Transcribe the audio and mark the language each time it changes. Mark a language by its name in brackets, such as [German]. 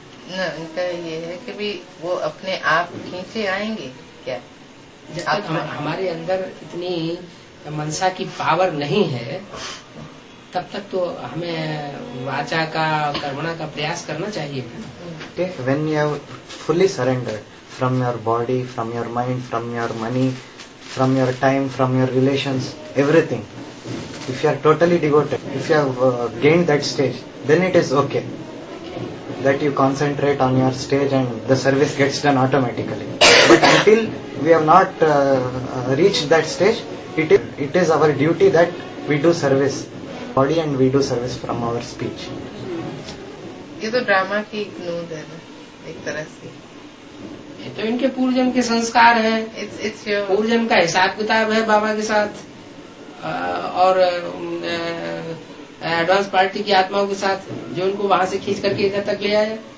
[Hindi] ना इनका ये है कि भी वो अपने आप खींचे आएंगे क्या? जब तक हमारे अंदर इतनी मनसा की पावर नहीं है तब तक तो हमें वाचा का कर्मणा का प्रयास करना चाहिए। [English] When you have fully surrendered from your body, from your mind, from your money, from your time, from your relations, everything, if you are totally devoted, if you have gained that stage, then it is okay that you concentrate on your stage and the service gets done automatically. But until we have not reached that stage, it is our duty that we do service body and we do service from our speech. [Hindi] ये तो drama की एक नूंद है ना एक तरह से। ये तो इनके पूर्वजन के संस्कार है, [English] its your [Hindi] पूर्वजन का हिसाब किताब है बाबा के साथ और एडवांस पार्टी की आत्माओं के साथ जो इनको वहां से खींच करके इधर तक ले आया।